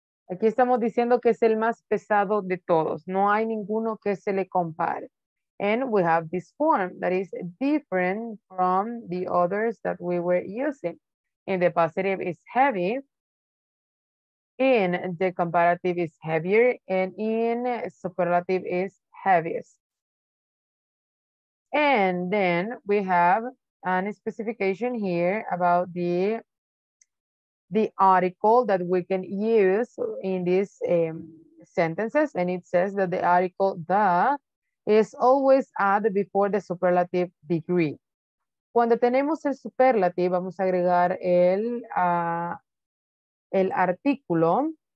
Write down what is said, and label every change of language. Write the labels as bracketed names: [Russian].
[Spanish] Aquí estamos diciendo que es el más pesado de todos. No hay ninguno que se le compare. [English] And we have this form that is different from the others that we were using. In the positive, it's heavy. In the comparative, it's heavier. And in superlative, it's heaviest. And then we have a specification here about the article that we can use in these sentences. And it says that the article, the, is always added before the superlative degree. [Spanish] Cuando tenemos el superlative, vamos a agregar el artículo.